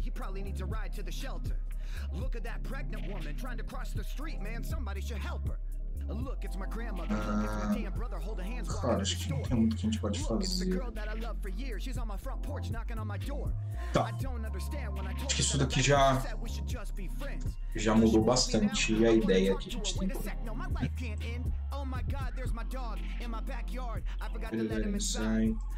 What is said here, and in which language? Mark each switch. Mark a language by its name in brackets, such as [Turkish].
[English] He probably needs a ride to the shelter. Look at that pregnant woman trying to cross the street, man. Somebody should help her. Look, it's my grandmother. Look, it's my damn brother holding hands while I'm in the store. Look, it's the girl that I love for years. She's on my front porch knocking on my door. Tá. I don't understand when I told her that I said we should just be friends. [Portuguese] Já mudou bastante a ideia que a gente tem. [English] Wait a sec, no, my life can't end. Oh my God, there's my dog in my backyard. I forgot to let him inside.